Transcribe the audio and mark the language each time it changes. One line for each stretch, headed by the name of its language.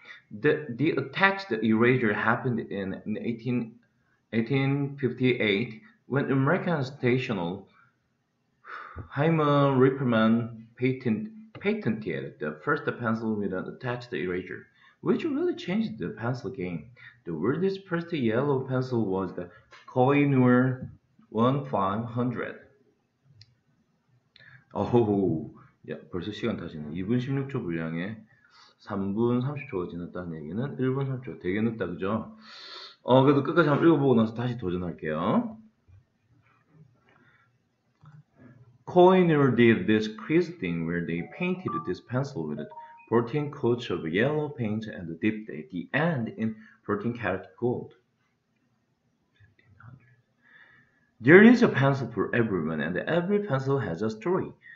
English: The attached erasure happened in 1858 when American statesman Hyman Rippleman patented the first pencil with an attached erasure, which really changed the pencil game. The world's first yellow pencil was the Kohinoor 1500.
Korean: Oh, yeah, 벌써 시간 다시는 2분 16초 분량에 3분 30초가 지났다는 얘기는 1분 30초 되게 늦다, 그죠? 그래도 끝까지 한번 읽어보고 나서 다시 도전할게요.
English: Kohinoor did this crease thing where they painted this pencil with 14 coats of yellow paint and dipped at the end in 14 karat gold. There is a pencil for everyone, and every pencil has a story.